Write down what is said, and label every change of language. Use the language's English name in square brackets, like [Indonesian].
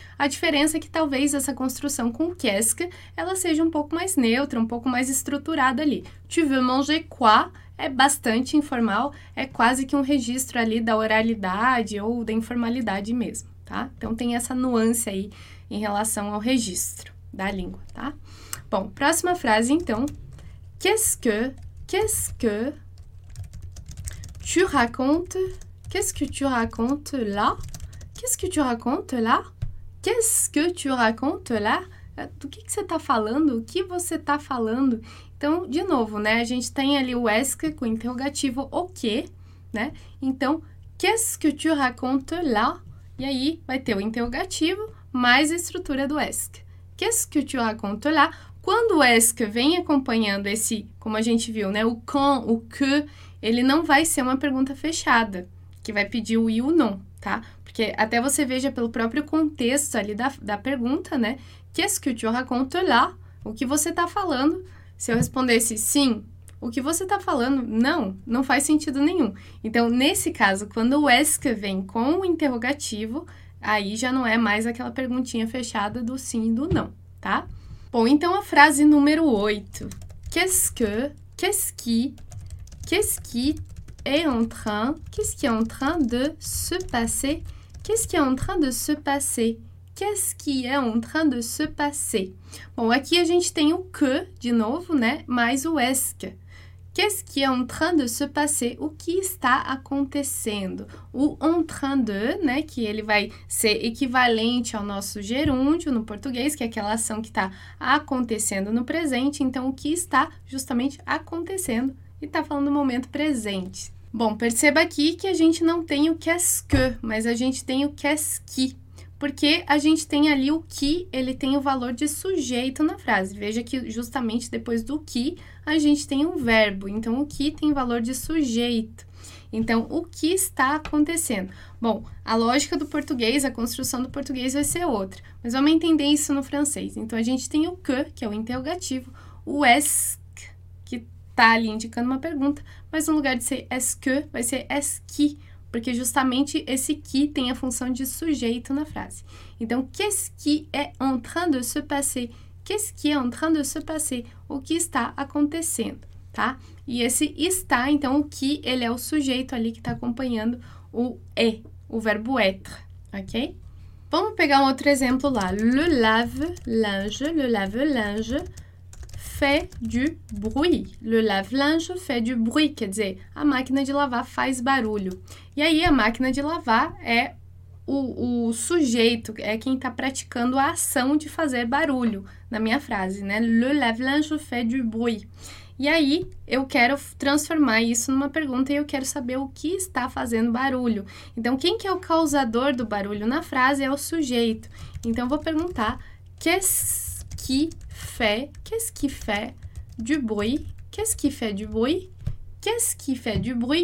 [Portuguese] A diferença é que talvez essa construção com qu'est-ce ela seja um pouco mais neutra, um pouco mais estruturada ali. [French] Tu veux manger quoi? [Portuguese] É bastante informal, é quase que um registro ali da oralidade ou da informalidade mesmo, tá? Então tem essa nuance aí em relação ao registro da língua, tá? Bom, próxima frase então. [French] Qu'est-ce que tu racontes? Qu'est-ce que tu racontes là? Qu'est-ce que tu racontes là? Qu'est-ce que tu racontes là? [Portuguese] Do que você está falando? O que você está falando? Então, de novo, né? A gente tem ali o est-ce com interrogativo o quê, né? [French] Então, qu'est-ce que tu racontes là? [Portuguese] E aí vai ter o interrogativo mais a estrutura do est-ce. [French] Qu'est-ce que tu racontes là? [Portuguese] Quando o est-ce vem acompanhando esse, como a gente viu, né? O quand, o que, ele não vai ser uma pergunta fechada. Que vai pedir o e o não, tá? Porque até você veja pelo próprio contexto ali da pergunta, né? [French] Qu'est-ce que tu racontes là? [Portuguese] O que você tá falando? Se eu respondesse sim, o que você tá falando? Não, não faz sentido nenhum. Então, nesse caso, quando o est-ce vem com o interrogativo, aí já não é mais aquela perguntinha fechada do sim e do não, tá? Bom, então a frase número 8. [French] Qu'est-ce qui est en train, qu'est-ce qui est en train de se passer? Qu'est-ce qui est en train de se passer? Qu'est-ce qui est en train de se passer? [Portuguese] Bom, aqui a gente tem o que de novo, né? Mais o est-ce. [French] Qu'est-ce qui est en train de se passer? [Portuguese] O que está acontecendo? O en train de, né? Que ele vai ser equivalente ao nosso gerúndio no português, que é aquela ação que está acontecendo no presente. Então, o que está justamente acontecendo? E está falando do momento presente. Bom, perceba aqui que a gente não tem o qu'est-ce que, mas a gente tem o qu'est-ce qui, porque a gente tem ali o que, ele tem o valor de sujeito na frase. Veja que justamente depois do que, a gente tem um verbo. Então, o que tem valor de sujeito. Então, o que está acontecendo? Bom, a lógica do português, a construção do português vai ser outra, mas vamos entender isso no francês. Então, a gente tem o que é o interrogativo, o est-ce, tá ali indicando uma pergunta, mas no lugar de ser est-ce que, vai ser est-ce qui, porque justamente esse qui tem a função de sujeito na frase. [French] Então, qu'est-ce qui est en train de se passer? Qu'est-ce qui est en train de se passer? [Portuguese] O que está acontecendo, tá? E esse está, então, o qui, ele é o sujeito ali que está acompanhando o é, o verbo être, ok? Vamos pegar um outro exemplo lá. Le lave-linge. [French] Fait du bruit. Le lave-linge fait du bruit, [Portuguese] quer dizer, a máquina de lavar faz barulho. E aí, a máquina de lavar é o sujeito, é quem está praticando a ação de fazer barulho, na minha frase, né? [French] Le lave-linge fait du bruit. [Portuguese] E aí, eu quero transformar isso numa pergunta e eu quero saber o que está fazendo barulho. Então, quem que é o causador do barulho na frase é o sujeito. Então, eu vou perguntar, [French] qu'est-ce qui fait, qu'est-ce qui fait du bruit? Qu'est-ce qui fait du bruit? Qu'est-ce qui fait du bruit?